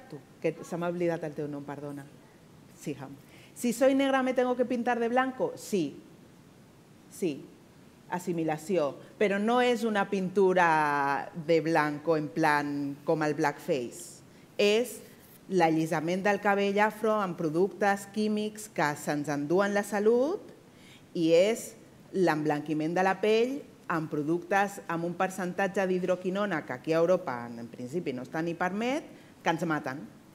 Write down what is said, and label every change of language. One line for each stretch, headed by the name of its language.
Catalan: Tu, que se m'ha oblidat el teu nom, perdona. Sí, ham.
Spanish: Si soy negra, ¿me tengo que pintar de blanco?
Catalan: Sí. Sí. Assimilació. Però no és una
Spanish: pintura de blanco
Catalan: en plan com el blackface. És l'allisament del cabell afro amb productes químics que se'ns enduen la salut i és l'emblanquiment de la pell amb productes amb un percentatge d'hidroquinona que aquí a Europa en principi no està ni permet, que ens maten.